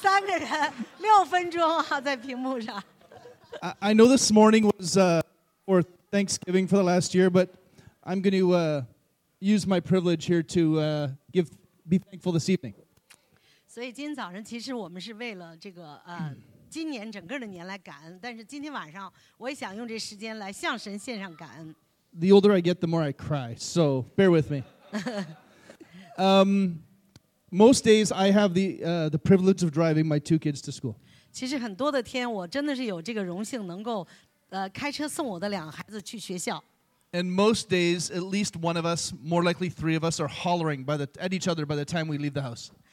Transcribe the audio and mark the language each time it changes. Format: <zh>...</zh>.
<zh>三个人，六分钟啊，在屏幕上。</zh> <en>I know this morning was for Thanksgiving for the last year, but I'm going to use my privilege here to be thankful this evening.</en> <zh>所以今天早上其实我们是为了这个。今年整个的年来感恩，但是今天晚上我也想用这时间来向神献上感恩。</zh> <en>The older I get, the more I cry, so bear with me. Most days I have the privilege of driving my two kids to school.</en> <zh>其实很多的天我真的是有这个荣幸能够开车送我的两个孩子去学校。</zh> <en>And most days, at least one of us, more likely three of us, are hollering at each other by the time we leave the house.</en>